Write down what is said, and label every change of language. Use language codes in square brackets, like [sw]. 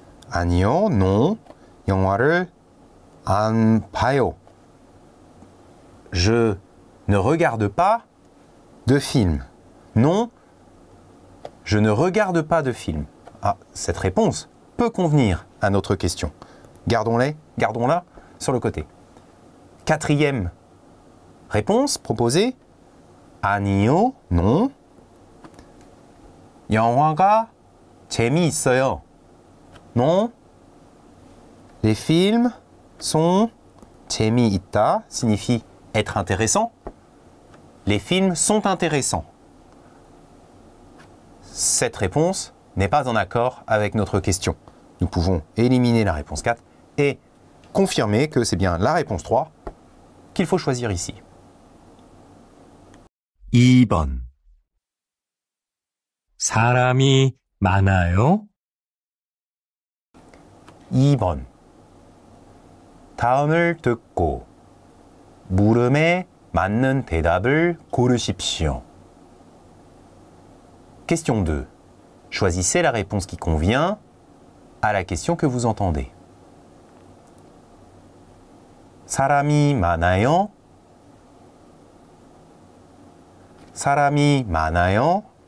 [ko] 아니요, [fr] non, [ko] 영화를 안 봐요. [fr] Je ne regarde pas de film. Non, je ne regarde pas de film. Ah, cette réponse peut convenir à notre question. Gardons-la sur le côté. Quatrième réponse proposée. [ko] 아니요, [fr] non, [ko] 영화가 재미있어요. [fr] Non. Les films sont [ko] 재미있다 [fr] signifie être intéressant. Les films sont intéressants. Cette réponse n'est pas en accord avec notre question. Nous pouvons éliminer la réponse 4 et confirmer que c'est bien la réponse 3 qu'il faut choisir ici. [ko] 2번. 사람이 많아요? 2번. 다음을 듣고 물음에 맞는 대답을 고르십시오. [fr] Question 2. Choisissez la réponse qui convient à la question que vous entendez. [ko] 사람이 많아요? 사람이 많아요?